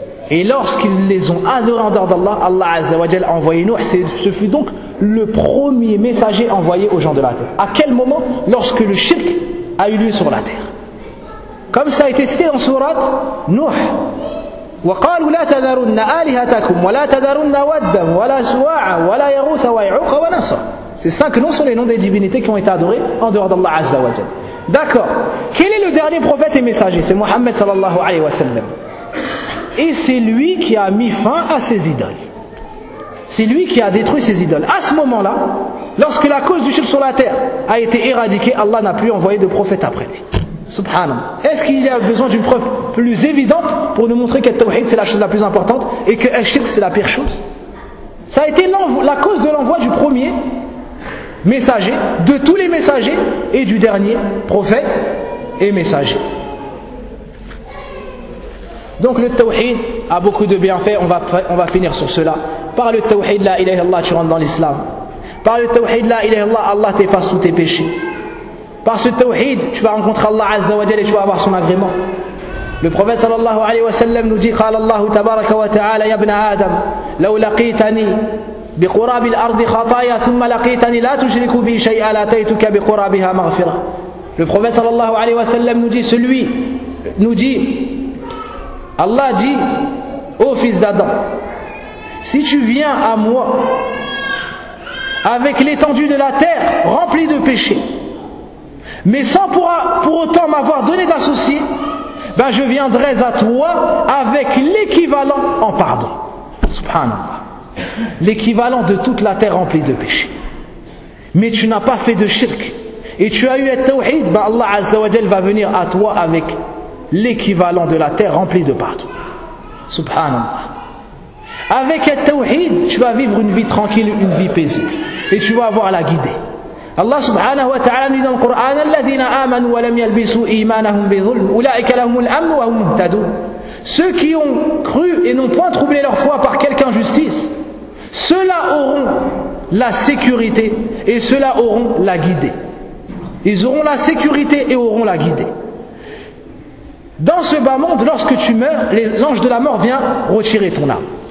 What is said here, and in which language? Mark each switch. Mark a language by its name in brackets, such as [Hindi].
[French] Et lorsqu'ils les ont adorés en dehors d'Allah, Allah Azza wa Jal a envoyé Nuh. Ce fut donc le premier messager envoyé aux gens de la terre. À quel moment? Lorsque le shirk a eu lieu sur la terre. Comme ça a été cité dans surat Nuh. [Arabic] وقالوا لا تذرن آلهتكم ولا تذرن ودا ولا سواعا ولا يغوث ويعوق ونصر. [French] Ces 5 noms sont les noms des divinités qui ont été adorées en dehors d'Allah Azza wa Jal. D'accord. Quel est le dernier prophète et messager? C'est Mohammed sallallahu alayhi wa sallam. Et c'est lui qui a mis fin à ses idoles. C'est lui qui a détruit ses idoles. À ce moment-là, lorsque la cause du shirk sur la terre a été éradiquée, Allah n'a plus envoyé de prophète après lui. Subhanallah. Est-ce qu'il y a besoin d'une preuve plus évidente pour nous montrer qu'at-tawhid c'est la chose la plus importante et que shirk c'est la pire chose? Ça a été la cause de l'envoi du premier messager, de tous les messagers et du dernier prophète et messager. Donc le tawhid a beaucoup de bienfaits, on va finir sur cela. Par le tawhid la ilaha illallah tu rentres dans l'islam. Par le tawhid la ilaha illallah, Allah t'efface tous tes péchés. Par ce tawhid tu vas rencontrer Allah azza wa jalla et tu vas avoir son agrément. Le prophète sallallahu alayhi wa sallam nous dit: [Arabic] قال الله تبارك وتعالى يا ابن آدم لو لقيتني بقراب الأرض خطايا ثم لقيتني لا تشرك بي شيئا لأتيتك بقرابها مغفرة. [French] Le prophète sallallahu alayhi wa sallam nous dit Allah dit: ô fils d'Adam, si tu viens à moi avec l'étendue de la terre remplie de péchés, mais sans pour autant m'avoir donné d'associé, ben je viendrai à toi avec l'équivalent en pardon. Subhanallah. L'équivalent de toute la terre remplie de péchés. Mais tu n'as pas fait de shirk. Et tu as eu at-tawhid, ben Allah Azza wa Jal va venir à toi avec l'équivalent de la terre remplie de pardon. Subhanallah. Avec at-tawhid, tu vas vivre une vie tranquille, une vie paisible. Et tu vas avoir la guidée. [Arabic] الله سبحانه وتعالى نزل القرآن الذين آمنوا ولم يلبسوا إيمانهم بظلم أولئك لهم الأمن وهم مهتدون. [French] Ceux qui ont cru et n'ont point troublé leur foi par quelque injustice, ceux-là auront la sécurité et ceux-là auront la guidée. Ils auront la sécurité et auront la guidée. Dans ce bas monde, lorsque tu meurs, l'ange de la mort vient retirer ton âme.